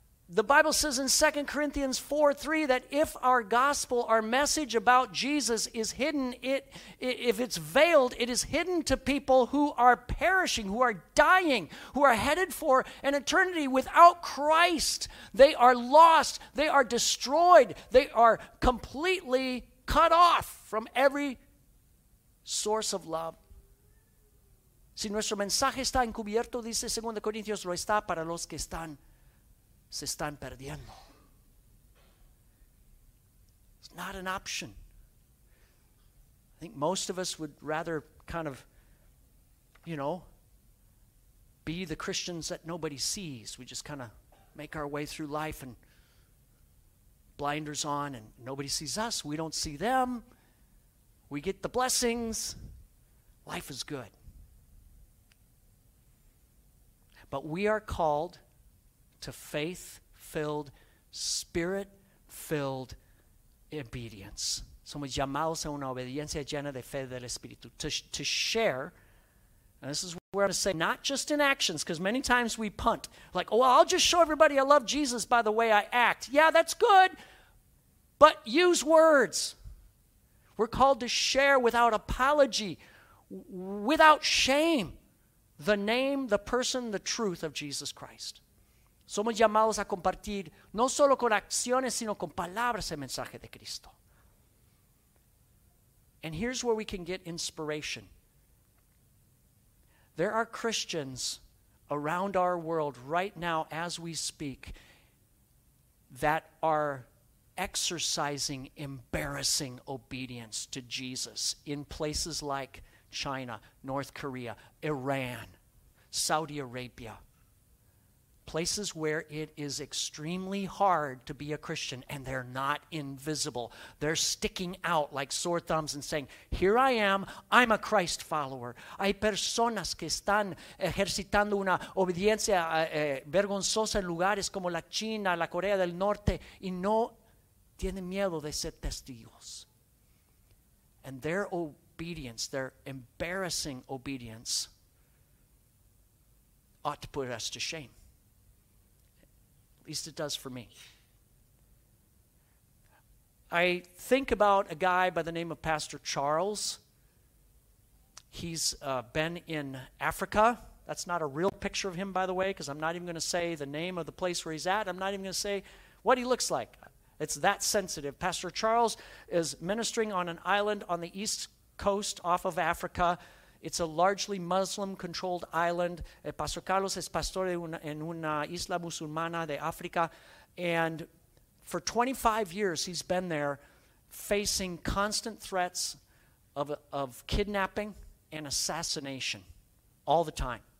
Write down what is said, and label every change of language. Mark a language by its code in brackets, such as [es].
[en] The Bible says in 2 Corinthians 4:3 that if our gospel, our message about Jesus is hidden, if it's veiled, it is hidden to people who are perishing, who are dying, who are headed for an eternity without Christ. They are lost. They are destroyed. They are completely cut off from every source of love. [es] Si nuestro mensaje está encubierto, dice 2 Corintios, lo está para los que están se están perdiendo. [en] It's not an option. I think most of us would rather kind of, you know, be the Christians that nobody sees. We just kind of make our way through life and blinders on and nobody sees us. We don't see them. We get the blessings. Life is good. But we are called to faith-filled, spirit-filled obedience. [es] Somos llamados a una obediencia llena de fe del Espíritu. [en] To share, and this is where I'm going to say, not just in actions, because many times we punt. Like, oh, well, I'll just show everybody I love Jesus by the way I act. Yeah, that's good, but use words. We're called to share without apology, without shame, the name, the person, the truth of Jesus Christ. [es] Somos llamados a compartir no solo con acciones, sino con palabras el mensaje de Cristo. [en] And here's where we can get inspiration. There are Christians around our world right now as we speak that are exercising embarrassing obedience to Jesus in places like China, North Korea, Iran, Saudi Arabia. Places where it is extremely hard to be a Christian and they're not invisible. They're sticking out like sore thumbs and saying, here I am, I'm a Christ follower. [es] Hay personas que están ejercitando una obediencia vergonzosa en lugares como la China, la Corea del Norte, y no tienen miedo de ser testigos. [en] And their obedience, their embarrassing obedience, ought to put us to shame. At least it does for me. I think about a guy by the name of Pastor Charles. He's been in Africa. That's not a real picture of him, by the way, because I'm not even going to say the name of the place where he's at. I'm not even going to say what he looks like. It's that sensitive. Pastor Charles is ministering on an island on the east coast off of Africa. It's a largely Muslim-controlled island. [es] Pastor Carlos es pastor en una isla musulmana de África. [en] And for 25 years, he's been there facing constant threats of kidnapping and assassination all the time.